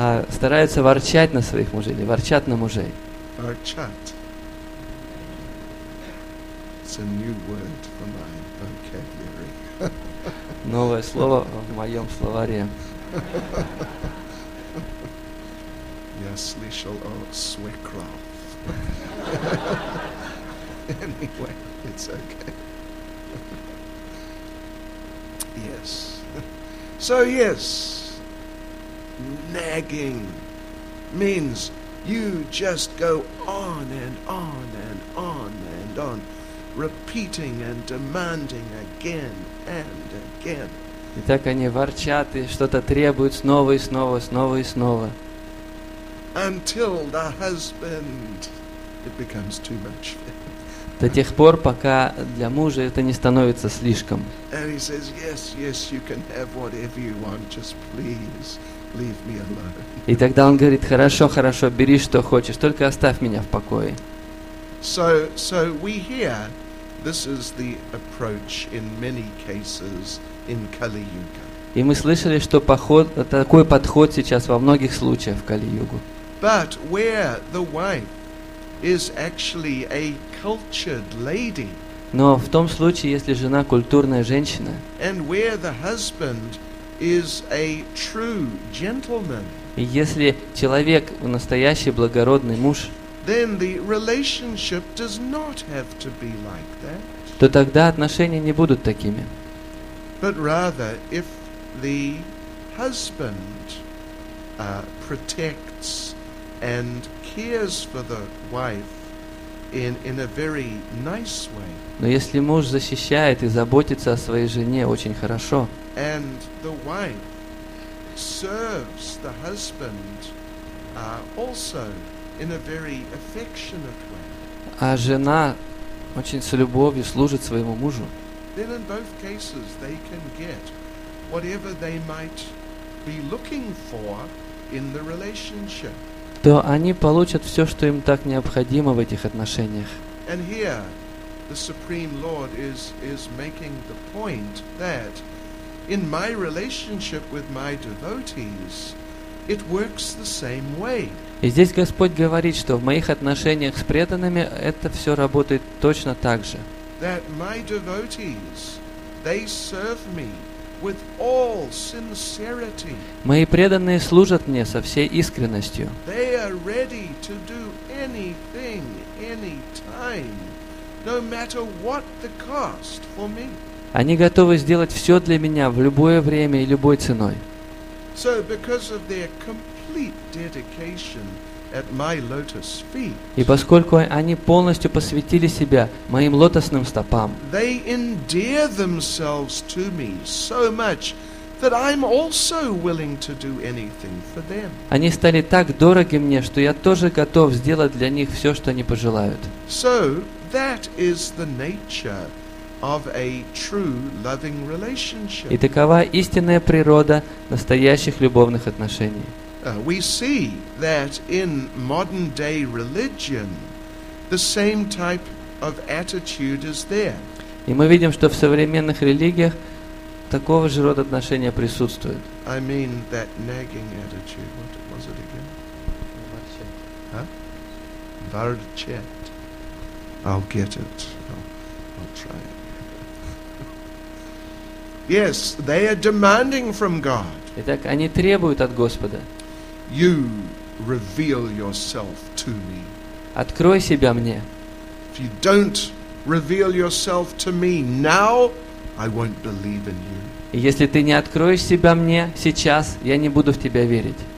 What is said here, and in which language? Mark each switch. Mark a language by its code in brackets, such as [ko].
[ru] Стараются ворчать на своих мужей или ворчат на мужей. Ворчат. [en] It's a new word for my vocabulary. [ru] Новое слово в моем словаре. Я слышал о свекров. [en] Anyway, it's okay. Yes. So yes, nagging means you just go on and on and on and on, repeating and demanding again and again. [ru] И так они ворчат и что-то требуют снова и снова, снова и снова. [en] Until the husband, it becomes too much. [ru] До тех пор, пока для мужа это не становится слишком. [en] And he says, yes, yes, you can have whatever you want, just please leave me alone. [ru] И тогда он говорит, хорошо, хорошо, бери что хочешь, только оставь меня в покое. [en] So we hear this is the approach in many cases in Kali Yuga. [ru] И мы слышали, что поход, такой подход сейчас во многих случаях в Кали-Югу. [en] But where the wife is actually a cultured lady. [ru] Но в том случае, если жена культурная женщина. [en] And where the husband is a true gentleman. [ru] И если человек настоящий благородный муж. [en] Then the relationship does not have to be like that. [ru] То тогда отношения не будут такими. [en] But rather, if the husband protects and cares for the wife in a very nice way. [ru] Но если муж защищает и заботится о своей жене очень хорошо. [en] And the wife serves the husband also in a very affectionate way. [ru] А жена очень с любовью служит своему мужу. [en] Then in both cases they can get whatever they might be looking for in the relationship. [ru] То они получат все, что им так необходимо в этих отношениях. [en] And here the Supreme Lord is making the point that in my relationship with my devotees it works the same way. [ru] И здесь Господь говорит, что в моих отношениях с преданными это все работает точно так же. [en] That my devotees, they serve me with all sincerity. [ru] Мои преданные служат мне со всей искренностью. [en] They are ready to do anything, anytime, no matter what the cost for me. [ru] Они готовы сделать все для меня в любое время и любой ценой. [en] So because of their complete dedication at my lotus feet. [ru] И поскольку они полностью посвятили себя моим лотосным стопам. [en] They endear themselves to me so much that I'm also willing to do anything for them. [ru] Они стали так дороги мне, что я тоже готов сделать для них все, что они пожелают. [en] So that is the nature of a true loving relationship. [ru] И такова истинная природа настоящих любовных отношений. [en] We see that in modern day religion the same type of attitude is there. [ru] И мы видим, что в современных религиях такого же рода отношения присутствуют. [en] I mean that nagging attitude. What was it again? [ru] Ворчат. [en] Ворчат. I'll get it. I'll try it. Yes, they are demanding from God. [ru] Итак, они требуют от Господа. [en] You reveal yourself to me. [ru] Открой себя мне. [en] If you don't reveal yourself to me now, I won't believe in you. [ru] Если ты не откроешь себя мне сейчас, я не буду в тебя верить.